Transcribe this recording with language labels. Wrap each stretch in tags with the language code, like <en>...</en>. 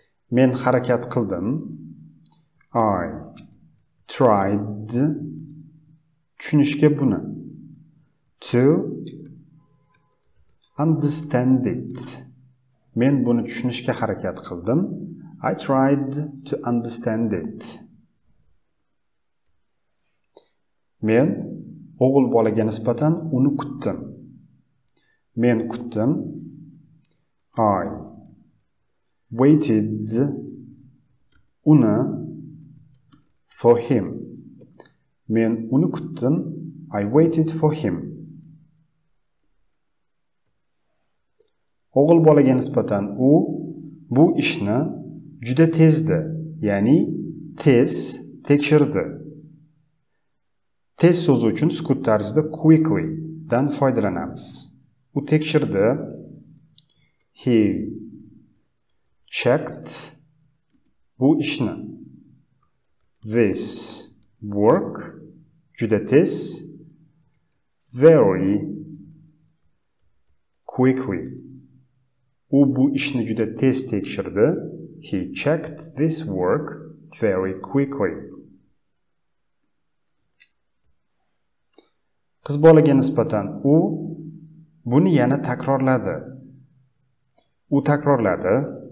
<uz>Men harakat qildim.</uz> <en>I tried</en> <uz>tushunishga buni.</uz> <en>To understand it.</en> <uz>Men buni tushunishga harakat qildim.</uz> <en>I tried to understand it.</en> <uz>Men o'g'il bolaga nisbatan uni kutdim. Men kutdim.</uz> <en>I waited uni for him.</en> <uz>Men uni kutdim.</uz> <en>I waited for him.</en> <uz>O'g'il bolaga nisbatan u bu ishni juda tezdi, ya'ni tez tekshirdi. Tez sözü uchun sukut tarzida quickly dan foydalanamiz. U tekshirdi.</uz> <en>He checked</en> <uz>bu ishni.</uz> <en>This work</en> <uz>juda tez,</uz> <en>very quickly.</en> <uz>U bu ishni juda tez tekshirdi.</uz> <en>He checked this work very quickly.</en> <uz>Qiz bolaga nisbatan u buni yana takrorladi. U takrorladi.</uz>